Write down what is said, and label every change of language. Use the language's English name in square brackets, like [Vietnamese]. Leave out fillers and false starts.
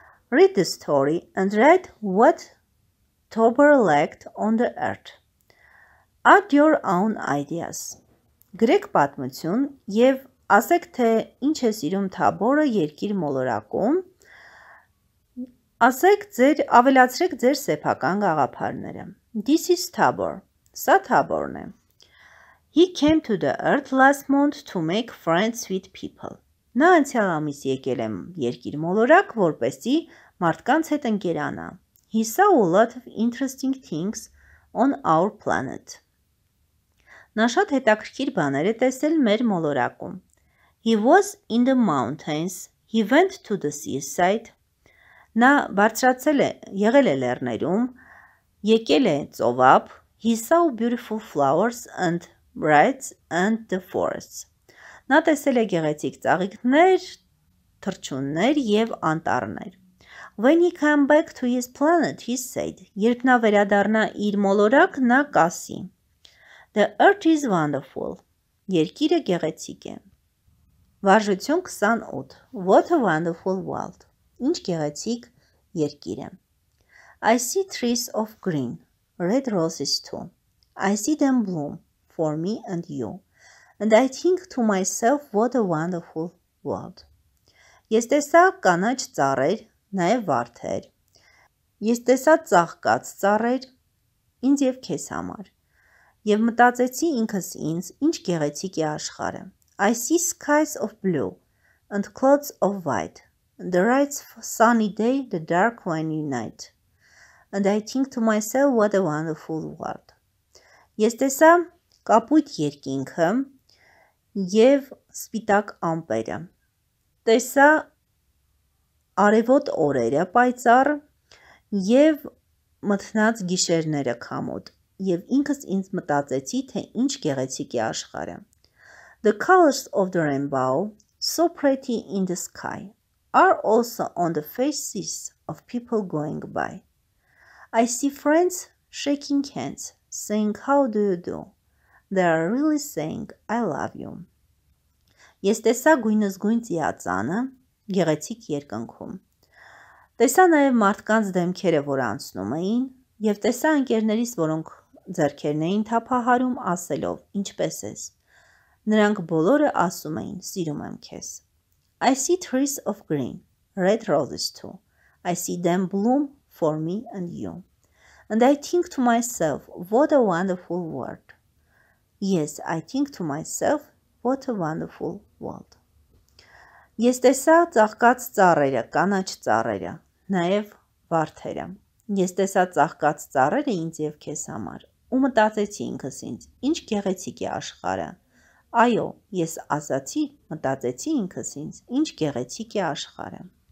[English] Read the story and write what Tober liked on the earth. Add your own ideas. [Armenian] Գրեք պատմություն եւ ասեք թե ինչ է սիրում Թաբորը երկիր մոլորակում։ Ասեք ձեր ավելացրեք ձեր սեփական գաղափարները։ [English] This is Tabor. [Armenian] Սա Թաբորն է։ [English] He came to the earth last month to make friends with people. [Armenian] Նա անցյալ ամիս եկել է երկիր մոլորակ, որպեսզի մարդկանց հետ ընկերանա։ [English] He saw a lot of interesting things on our planet. [Armenian] Նա շատ հետաքրքիր բաներ է տեսել մեր մոլորակում։ [English] He was in the mountains. He went to the seaside. [Armenian] Նա բարձրացել է, եղել է լեռներում, եկել է ծովափ. [English] He saw beautiful flowers and birds and the forests. [Armenian] Նա տեսել է գեղեցիկ ծաղիկներ, թռչուններ եւ անտառներ. [English] When he came back to his planet, he said, [Armenian] երբ նա վերադառնա իր մոլորակ, նա կասի. [English] The earth is wonderful. [Armenian] Երկիրը գեղեցիկ է. Վարժություն 28. [English] What a wonderful world. [Armenian] Ինչ գեղեցիկ երկիր է. [English] I see trees of green, red roses too. I see them bloom for me and you. And I think to myself, what a wonderful world. [Armenian] Ես տեսա կանաչ ծառեր, նաև վարդեր. Ես տեսա ծաղկած ծառեր, ինձ եւ քեզ համար. Եվ մտածեցի ինքս ինձ, ինչ գեղեցիկ է աշխարհը. [English] I see skies of blue and clouds of white. The bright sunny day, the dark rainy night. And I think to myself, what a wonderful world. [Armenian] Ես տեսա կապույտ երկինքը եւ սպիտակ ամպերը. Տեսա արևոտ օրերը պայծառ եւ մթնած գիշերները քամոտ եւ ինքս ինձ մտածեցի, թե ինչ գեղեցիկ է աշխարհը. [English] The colors of the rainbow, so pretty in the sky, are also on the faces of people going by. I see friends shaking hands, saying, how do you do? They are really saying, I love you. [Armenian] Ես տեսա գույնս գույն ծիածանը, գեղեցիկ երկնքում. Տեսա նաև մարդկանց դեմքերը, որ անցնում էին, և տեսա ընկերներիս, որոնք ձեռքերն էին թափահարում, ասելով, ինչպես ես. Նրանք բոլորը ասում էին, սիրում եմ քեզ. [English] I see trees of green, red roses too. I see them bloom for me and you. And I think to myself, what a wonderful world. Yes, I think to myself, what a wonderful world. [Armenian] Ես տեսա ծաղկած ծառերը, կանաչ ծառերը, նաև վարդերը. Ես տեսա ծաղկած ծառերը ինձ եւ քեզ համար, ու մտածեցի ինքս ինձ, ինչ գեղեցիկ է աշխարհը. Այո, ես ասացի, մտածեցի ինքս ինձ, ինչ գեղեցիկ է աշխարհը.